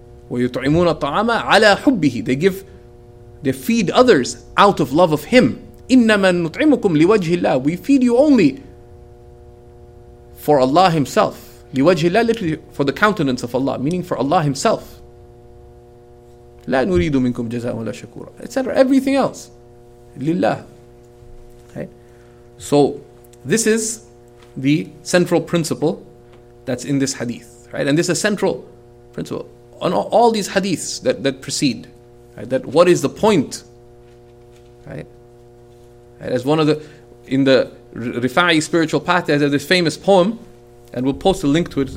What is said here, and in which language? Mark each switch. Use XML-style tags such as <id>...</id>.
<ar>وَيُطْعِمُونَ الطَّعَامَ عَلَى حُبِّهِ.</ar> <en>They feed others out of love of Him.</en> <ar>إِنَّمَا نُطْعِمُكُمْ لِوَجْهِ اللَّهِ.</ar> <en>We feed you only for Allah Himself.</en> <ar>لِوَجْهِ اللَّهِ,</ar> <en>literally for the countenance of Allah, meaning for Allah Himself.</en> <ar>لَا نُرِيدُ مِنْكُمْ جَزَاءً وَلَا شَكُورًا,</ar> <en>etc. Everything else. لِلَّهِ. Okay. So, this is the central principle that's in this hadith. Right? And this is a central principle on all these hadiths that precede. Right? That what is the point? Right? As one of the, in the Rifa'i spiritual path, there's this famous poem, and we'll post a link to it.</en>